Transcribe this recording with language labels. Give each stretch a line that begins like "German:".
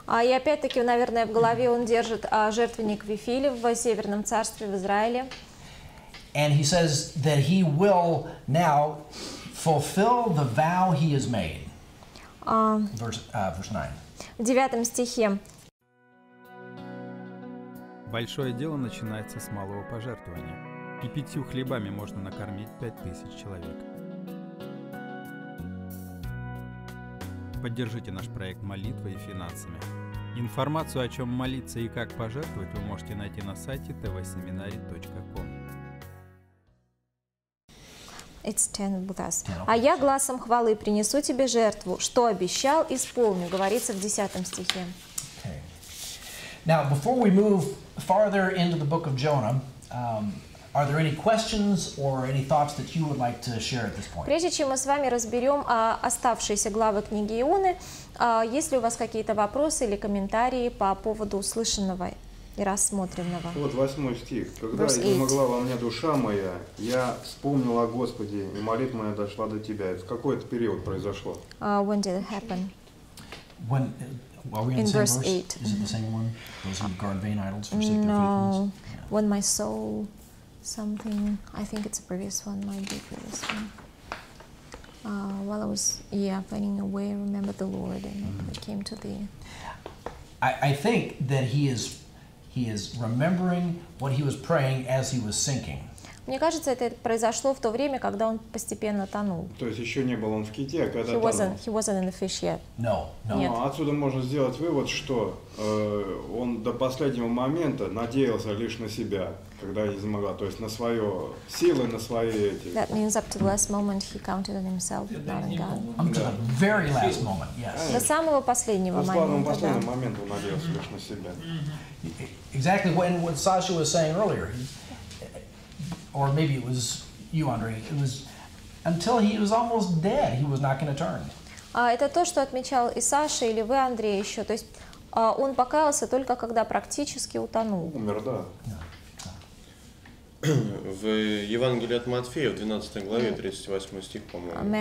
Russian: И опять-таки, наверное, в голове он держит жертвенник Вифиле в северном царстве в Израиле.
English: And he says that he will now fulfill the vow he has made. Verse 9.
Russian: В 9 стихе. Большое дело начинается с малого пожертвования. И 5 хлебами можно накормить 5000 человек. Поддержите наш проект молитвой и финансами. Информацию, о чем молиться и как пожертвовать, вы можете найти на сайте tvseminary.com.
English: It's 10 with us.
Russian: «А я гласом хвалы принесу тебе жертву, что обещал, исполню», говорится в 10 стихе.
English: Okay. Now, before we move farther into the book of Jonah, are there any questions or any thoughts that you would like to share at this point?
Russian: Прежде чем мы с вами разберем оставшиеся главы книги Ионы, есть ли у вас какие-то вопросы или комментарии по поводу услышанного и рассмотренного? Вот 8 стих. «Когда изнемогла во мне душа моя, я вспомнила о Господе, и молитва моя дошла до Тебя». В какой это период произошло?
English: When did it happen? When, are we in the verse 8. Is it the same one? Those who guard vain idols forsake their faithfulness? No. When my soul... Something, I think it's a previous one, might be a previous one. While I was, finding a way, I remembered the Lord, and it came to the... I think that he is remembering what he was praying as he was sinking.
Russian: Мне кажется, это произошло в то время, когда он постепенно тонул. То есть еще не был он в ките, а когда тонул.
English: He wasn't in the fish yet. No, no.
Russian: Нет. Отсюда можно сделать вывод, что он до последнего момента надеялся лишь на себя, когда не смогла, то есть на свои силы, на свои эти.
English: That means up to the last moment he counted on himself, not on God. Up to the very last moment, yes.
Russian: До самого последнего момента. До самого последнего момента он надеялся лишь на себя.
English: Exactly what Sasha was saying earlier. Or maybe it was you, Andre. It was until he was almost dead, he was not going to turn.
Russian: Это то, что отмечал и Саша, или вы, Андрей, еще. То есть он покаялся только когда практически утонул. Умер, да. В Евангелии от Матфея, в 12 главе, 38 стих, по-моему.